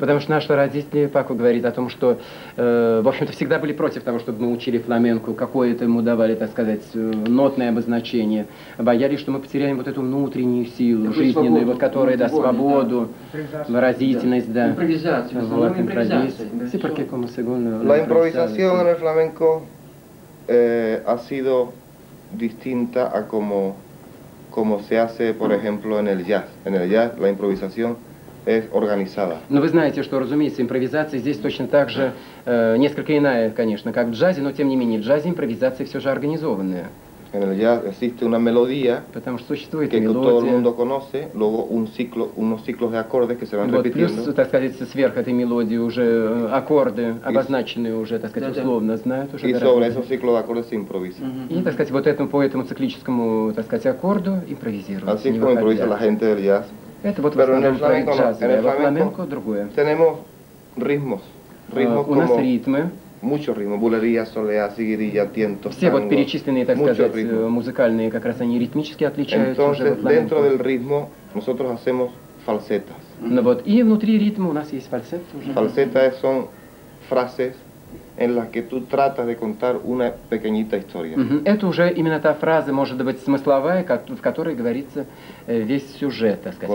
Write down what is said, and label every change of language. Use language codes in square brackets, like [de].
[ru] Потому что наши родители, Пако говорит о том, что, в общем-то, всегда были против того, чтобы мы учили фламенко, какое-то ему давали, так сказать, нотное обозначение. Боялись, что мы потеряем вот эту внутреннюю силу, да, жизненную, свободу, вот, которая даст свободу, да. Выразительность, да. Импровизация. Вот, импровизация. [es] La improvisación en el flamenco ha sido distinta a como se hace, por ejemplo, en el jazz. En el jazz la improvisación es organizada. [ru] Но вы знаете, что, разумеется, импровизация здесь точно так же, несколько иная, конечно, как в джазе, но тем не менее, в джазе импровизация все же организованная. [es] En el jazz existe una melodía. [ru] Потому что существует [es] que [ru] мелодия. [es] Todo el mundo conoce, luego unos ciclos de acordes que se van [ru] вот, [es] repitiendo. [ru] Плюс, так сказать, сверх этой мелодии уже аккорды, обозначенные уже, так сказать, условно, знают уже. [es] И sobre esos ciclos de acordes se improvisa. Uh-huh. [ru] И, так сказать, вот этому, по этому циклическому, так сказать, аккорду импровизируется. [es] Así como improvisa la gente del jazz. [ru] Это вот в основном проект джаза. [es] En el [ru] flamenco другое. [es] Tenemos ritmos [ru] у нас ритмы. [es] Muchos ritmos, bulería, soleá, seguirilla, tiento, [ru] все [es] tango, [ru] вот перечисленные, так сказать, ritmos. Музыкальные, как раз они ритмически отличаются. [es] Entonces, dentro del ritmo, nosotros hacemos falsetas. Mm-hmm. [ru] Ну вот, и внутри ритма у нас есть фальсет уже. [es] Falsetas son frases en las que tú tratas de contar una pequeñita historia. Mm-hmm. [ru] Это уже именно та фраза, может быть, смысловая, в которой говорится весь сюжет, так сказать.